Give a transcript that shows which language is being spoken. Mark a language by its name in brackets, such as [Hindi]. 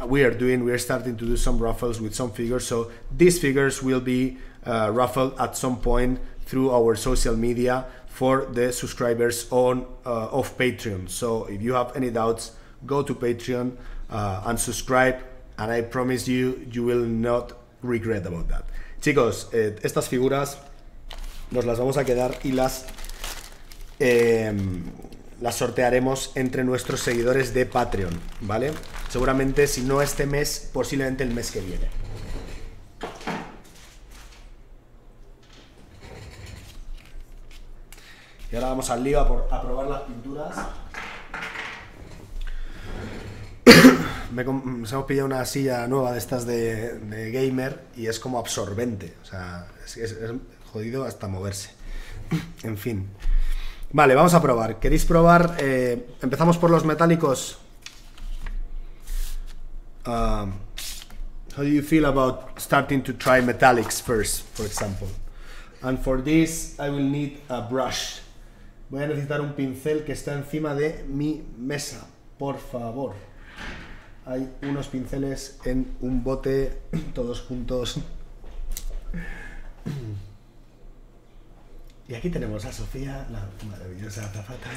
[English] We are starting to do some raffles with some figures, so these figures will be raffled at some point through our social media for the subscribers on of Patreon. So if you have any doubts, go to Patreon and subscribe, and I promise you will not regret about that. [Spanish] Chicos, estas figuras nos las vamos a quedar y las sortearemos entre nuestros seguidores de Patreon, ¿vale? Seguramente, si no este mes, posiblemente el mes que viene. Y ahora vamos al lío a probar las pinturas. Nos hemos pillado una silla nueva de estas de gamer y es como absorbente. O sea, es jodido hasta moverse. En fin. Vale, vamos a probar. ¿Queréis probar? Empezamos por los metálicos. [English] How do you feel about starting to try metallics first, for example? And for this, I will need a brush. [Spanish] Voy a necesitar un pincel que está encima de mi mesa, por favor. Hay unos pinceles en un bote, todos juntos. Y aquí tenemos a Sofía, la maravillosa azafata.